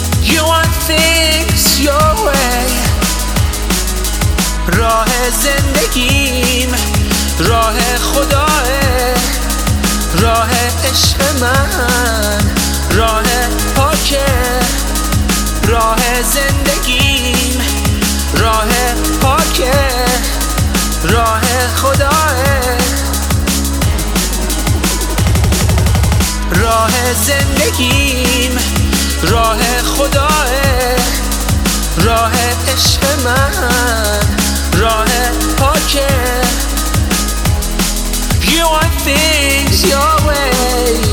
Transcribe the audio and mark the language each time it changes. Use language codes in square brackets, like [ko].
[en] You want things your way. [fa] راه زندگیم راه خداه، راه عشق من، راه پاکه، راه زندگیم راه پاکه، راه خداه، راه زندگیم راه خداه، راه عشق من، راه پاکه. [en] You want things your way.